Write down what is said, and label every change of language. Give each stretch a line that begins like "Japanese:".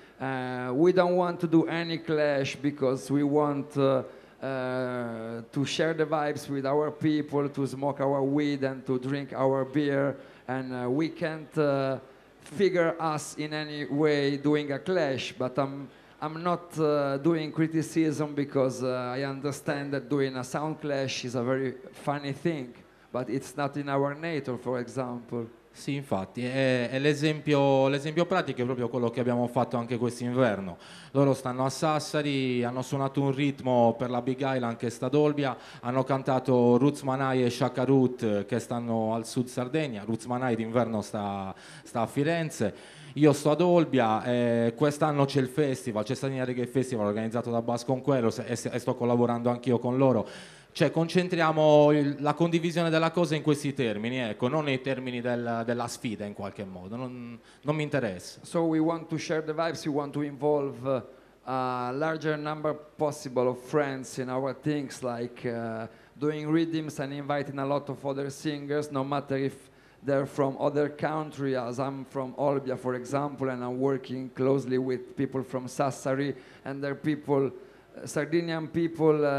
English: We don't want to do any clash because we want to share the vibes with our people, to smoke our weed and to drink our beer, and we can't figure us in any way doing a clash. But I'm not doing criticism because I understand that doing a sound clash is a very funny thing, but it's not in our nature, for example.
Italian: Sì, infatti, è l'esempio pratico è proprio quello che abbiamo fatto anche quest'inverno. Loro stanno a Sassari, hanno suonato un ritmo per la Big Island che sta ad Olbia, hanno cantato Roots Manai e Shaka Root che stanno al sud Sardegna, Roots Manai d'inverno sta a Firenze. Io sto ad Olbia, quest'anno c'è il festival, c'è Sardegna Reggae Festival organizzato da Bass Conquerors e sto collaborando anch'io con loro. Cioè concentriamo la condivisione della cosa in questi termini, ecco, non nei termini della sfida in qualche modo, non mi interessa.
English: So we want to share the vibes, we want to involve a larger number possible of friends in our things, like doing rhythms and inviting a lot of other singers, no matter if they're from other countries, as I'm from Olbia, for example, and I'm working closely with people from Sassari and their people, Sardinian people